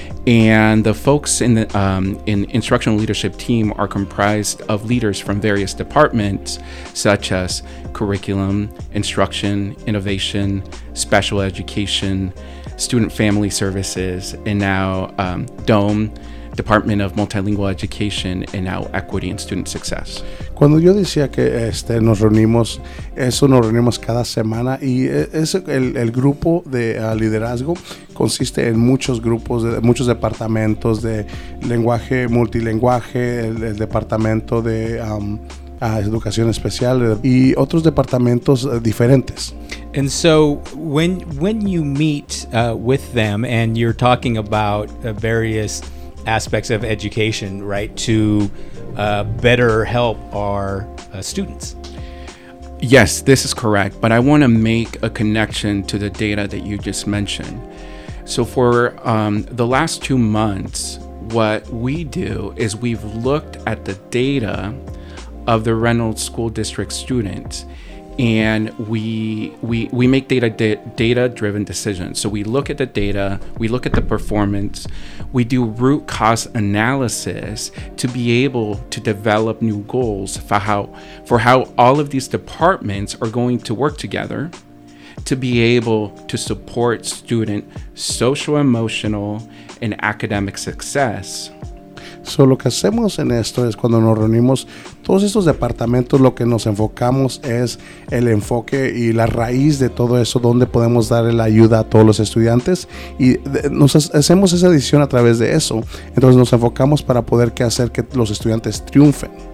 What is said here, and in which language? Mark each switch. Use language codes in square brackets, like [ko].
[en] And the folks in the in instructional leadership team are comprised of leaders from various departments, such as curriculum, instruction, innovation, special education, student family services, and now DOME, Department of Multilingual Education, and now Equity and Student Success. [es] Cuando yo decía que nos reunimos, eso nos reunimos cada semana, y es el grupo de liderazgo consiste en muchos grupos, muchos departamentos de lenguaje, multilinguaje, el departamento de educación especial y otros departamentos diferentes. [en] And so when you meet with them and you're talking about various aspects of education, right, to better help our students. Yes, this is correct, but I want to make a connection to the data that you just mentioned. So for the last 2 months, what we do is we've looked at the data of the Reynolds School District students, and we make data driven decisions. So we look at the data, we look at the performance, we do root cause analysis to be able to develop new goals for how all of these departments are going to work together to be able to support student social, emotional, and academic success. [es] So lo que hacemos en esto es, cuando nos reunimos todos estos departamentos, lo que nos enfocamos es el enfoque y la raíz de todo eso, donde podemos dar la ayuda a todos los estudiantes, y nos hacemos esa decisión a través de eso. Entonces nos enfocamos para poder hacer que los estudiantes triunfen.